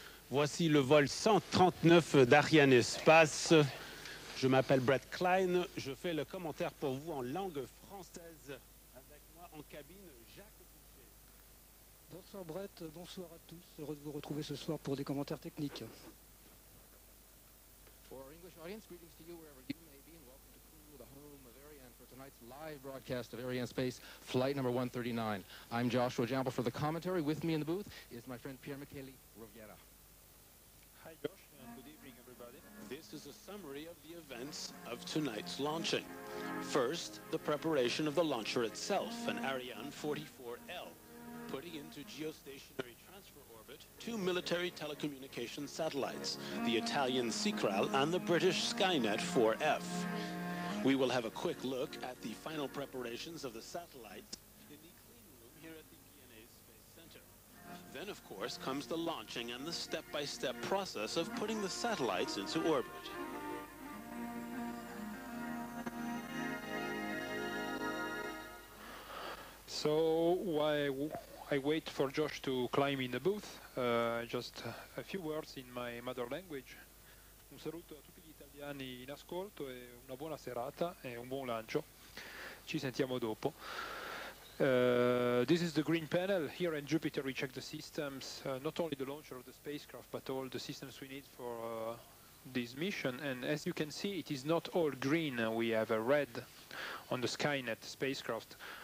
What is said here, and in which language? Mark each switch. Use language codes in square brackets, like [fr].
[fr] Voici le vol 139 d'Ariane Espace. Je m'appelle Brett Klein. Je fais le commentaire pour vous en langue française. Avec moi en cabine, Jacques Boucher. Bonsoir Brett, bonsoir à tous. Heureux de vous retrouver ce soir pour des commentaires techniques. [en] For English audience, greetings to you wherever you may be and welcome to Kourou, the home of Ariane for tonight's live broadcast of Ariane Space flight number 139. I'm Joshua Jample for the commentary. With me in the booth is my friend Pierre Michele Rovira. Hi Josh, good evening everybody. This is a summary of the events of tonight's launching. First, the preparation of the launcher itself, an Ariane 44L, putting into geostationary transfer orbit two military telecommunications satellites, the Italian Sicral and the British Skynet 4F. We will have a quick look at the final preparations of the satellites in the clean room here at the DNA Space Center. Then, of course, comes the launching and the step-by-step process of putting the satellites into orbit. So, I wait for Josh to climb in the booth. Just a few words in my mother language. [it] Un saluto a tutti gli italiani in ascolto e una buona serata e un buon lancio. Ci sentiamo dopo. [en] This is the green panel. Here in Jupiter, we check the systems, not only the launcher of the spacecraft, but all the systems we need for this mission. And as you can see, it is not all green. We have a red on the Skynet spacecraft.